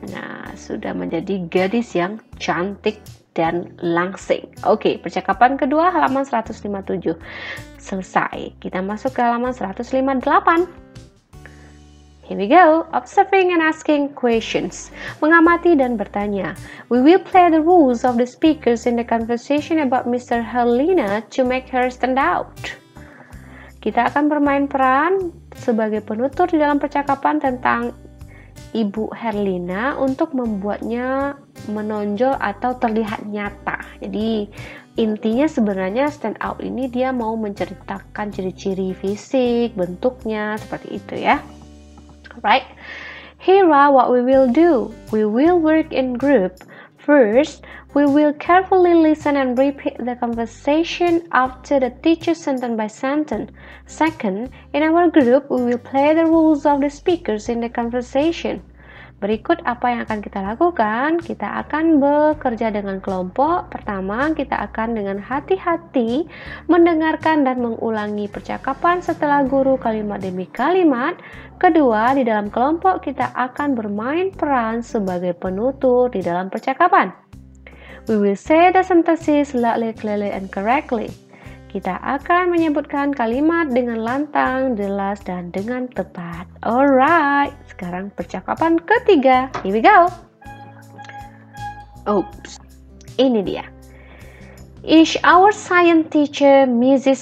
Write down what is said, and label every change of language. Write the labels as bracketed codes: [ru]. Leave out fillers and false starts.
[id] Nah, sudah menjadi gadis yang cantik dan langsing. Oke, percakapan kedua halaman 157. Selesai. Kita masuk ke halaman 158. [en] Here we go, observing and asking questions. [id] Mengamati dan bertanya. [en] We will play the rules of the speakers in the conversation about Mr. Helena to make her stand out. [id] Kita akan bermain peran sebagai penutur di dalam percakapan tentang Ibu Helena untuk membuatnya menonjol atau terlihat nyata. Jadi intinya sebenarnya stand out ini dia mau menceritakan ciri-ciri fisik, bentuknya, seperti itu ya. [en] Right, here are what we will do. We will work in group. First, we will carefully listen and repeat the conversation after the teacher sentence by sentence. Second, in our group, we will play the rules of the speakers in the conversation. [id] Berikut apa yang akan kita lakukan. Kita akan bekerja dengan kelompok. Pertama, kita akan dengan hati-hati mendengarkan dan mengulangi percakapan setelah guru kalimat demi kalimat. Kedua, di dalam kelompok kita akan bermain peran sebagai penutur di dalam percakapan. [en] We will say the sentences loudly, clearly, and correctly. [id] Kita akan menyebutkan kalimat dengan lantang, jelas, dan dengan tepat. Alright, sekarang percakapan ketiga. [en] Here we go. [id] Oops, ini dia. [en] Is our science teacher Mrs.